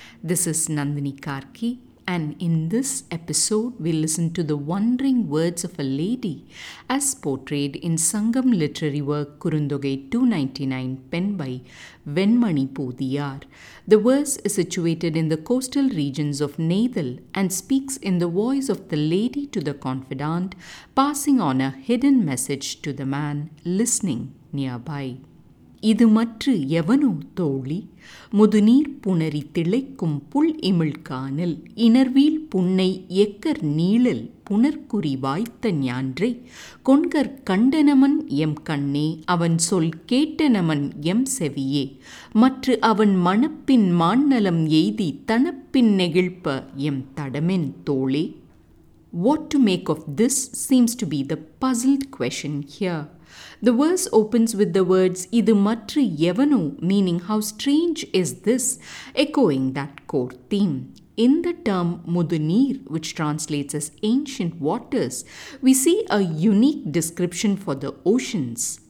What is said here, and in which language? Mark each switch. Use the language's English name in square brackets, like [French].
[English] This is Nandini Karki, and in this episode we listen to the wandering words of a lady as portrayed in Sangam literary work Kurundogai 299 penned by Venmani Poothiyar. The verse is situated in the coastal regions of Nethal and speaks in the voice of the lady to the confidant, passing on a hidden message to the man listening nearby. [Tamil] இது மற்று எவனோ தோழி முதுநீர் புணரி திளைக்கும் புல் இமிழ்கானல் இணர்வீழ் புன்னை acre நீழல் புனர்குறி வாய்த்த ஞான்றை கொண்கர் கண்டனமன் M கண்ணே அவன் சொல் கேட்டனமன் M செவியே மற்று அவன் மணப்பின் மாநலம் எய்தி தனப்பின் நெகிழ்ப்ப M தடமென் தோழே. [English] What to make of this seems to be the puzzled question here. The verse opens with the words [Tamil] "idu matru evano," [English] meaning how strange is this, echoing that core theme. In the term mudunir, which translates as ancient waters, we see a unique description for the oceans.